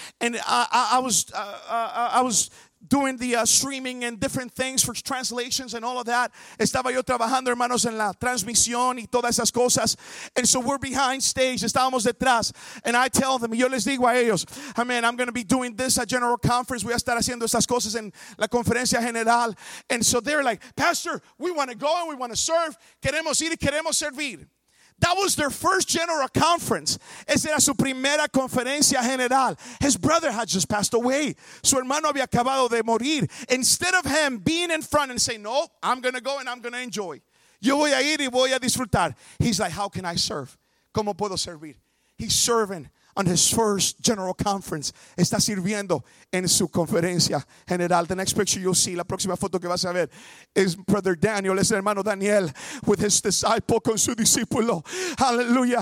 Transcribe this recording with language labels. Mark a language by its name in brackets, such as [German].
[English] And I was doing the streaming and different things for translations and all of that. [Spanish] Estaba yo trabajando, hermanos, en la transmisión y todas esas cosas. [English] And so we're behind stage. [Spanish] Estábamos detrás. [English] And I tell them, [Spanish] yo les digo a ellos, [English] I mean, I'm going to be doing this at General Conference. [Spanish] Voy a estar haciendo estas cosas en la conferencia general. [English] And so they're like, Pastor, we want to go and we want to serve. [Spanish] Queremos ir y queremos servir. [English] That was their first general conference. [Spanish] Esa era su primera conferencia general. [English] His brother had just passed away. [Spanish] Su hermano había acabado de morir. [English] Instead of him being in front and saying, no, I'm going to go and I'm going to enjoy. [Spanish] Yo voy a ir y voy a disfrutar. [English] He's like, how can I serve? [Spanish] ¿Cómo puedo servir? [English] He's serving on his first general conference. [Spanish] Está sirviendo en su conferencia general. [English] The next picture you'll see, [Spanish] la próxima foto que vas a ver, [English] is Brother Daniel, [Spanish] es el hermano Daniel, [English] with his disciple, [Spanish] con su discípulo. Hallelujah.